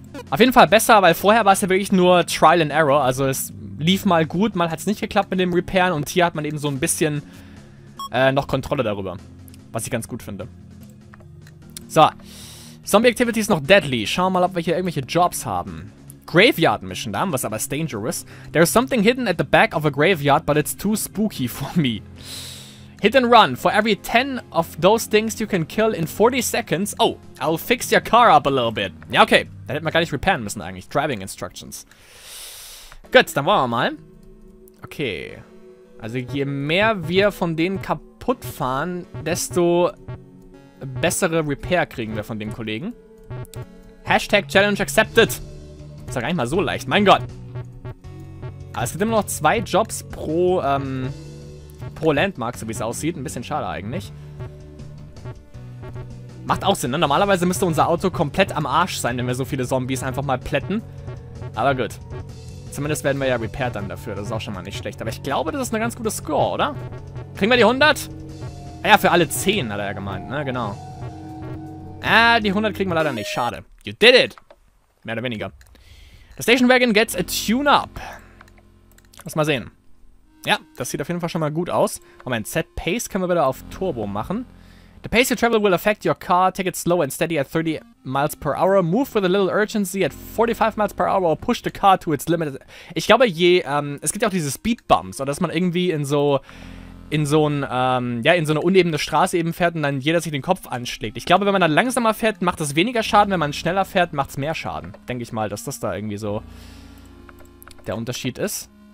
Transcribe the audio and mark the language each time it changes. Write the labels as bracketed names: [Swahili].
[German] Auf jeden Fall besser, weil vorher war es ja wirklich nur Trial and Error. Also es lief mal gut, mal hat es nicht geklappt mit dem Repairen. Und hier hat man eben so ein bisschen noch Kontrolle darüber. Was ich ganz gut finde. So. Zombie Activity ist noch deadly. Schauen wir mal, ob wir hier irgendwelche Jobs haben. Graveyard Mission, da haben wir es, aber ist dangerous. [English] There's something hidden at the back of a graveyard, but it's too spooky for me. Hit and run. For every 10 of those things you can kill in 40 seconds. Oh, I'll fix your car up a little bit. [German] Ja, okay. Da hätten wir gar nicht reparen müssen eigentlich. Driving Instructions. Gut, dann wollen wir mal. Okay. Also je mehr wir von denen kaputt fahren, desto bessere Repair kriegen wir von dem Kollegen. Hashtag Challenge accepted. Ist ja gar nicht mal so leicht, mein Gott. Aber es gibt immer noch zwei Jobs pro Landmark, so wie es aussieht. Ein bisschen schade eigentlich. Macht auch Sinn, ne? Normalerweise müsste unser Auto komplett am Arsch sein, wenn wir so viele Zombies einfach mal plätten. Aber gut. Zumindest werden wir ja repaired dann dafür. Das ist auch schon mal nicht schlecht. Aber ich glaube, das ist eine ganz gute Score, oder? Kriegen wir die 100? Ja, für alle 10 hat er ja gemeint, ne? Genau. Die 100 kriegen wir leider nicht. Schade. [English] You did it! [German] Mehr oder weniger. [English] The Station Wagon gets a tune-up. [German] Lass mal sehen. Ja, das sieht auf jeden Fall schon mal gut aus. Moment, Set Pace können wir wieder auf Turbo machen. [English] The pace you travel will affect your car. Take it slow and steady at 30 miles per hour. Move with a little urgency at 45 miles per hour. Or push the car to its limit. [German] Ich glaube, je, es gibt ja auch diese Speed Bumps, oder dass man irgendwie in so eine unebene Straße eben fährt und dann jeder sich den Kopf anschlägt. Ich glaube, wenn man dann langsamer fährt, macht es weniger Schaden. Wenn man schneller fährt, macht es mehr Schaden. Denke ich mal, dass das da irgendwie so der Unterschied ist.